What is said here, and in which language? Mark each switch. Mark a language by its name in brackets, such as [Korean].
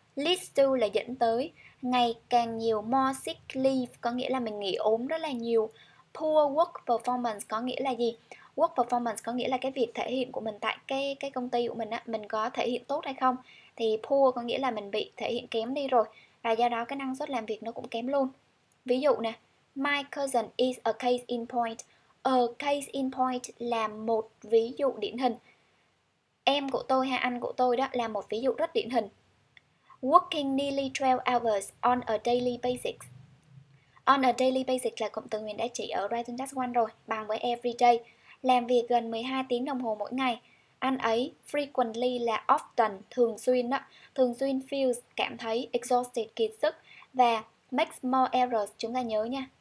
[English] Lead to [Vietnamese] là dẫn tới, ngày càng nhiều [English] more sick leave [Vietnamese] có nghĩa là mình nghỉ ốm rất là nhiều. [English] Poor work performance [Vietnamese] có nghĩa là gì? [English] Work performance [Vietnamese] có nghĩa là cái việc thể hiện của mình tại cái công ty của mình á, mình có thể hiện tốt hay không. Thì poor có nghĩa là mình bị thể hiện kém đi rồi, và do đó cái năng suất làm việc nó cũng kém luôn. Ví dụ nè, [English] my cousin is a case in point. A case in point [Vietnamese] là một ví dụ điển hình. Em của tôi hay anh của tôi đó là một ví dụ rất điển hình. [English] Working nearly 12 hours on a daily basis. On a daily basis [Vietnamese] là cụm từ mình đã chỉ ở Writing Task 1 rồi, bằng với everyday. Làm việc gần 12 tiếng đồng hồ mỗi ngày. Anh ấy frequently là often, thường xuyên đó. Thường xuyên feels, cảm thấy exhausted, kiệt sức. Và [English] makes more errors, [Vietnamese] chúng ta nhớ nha.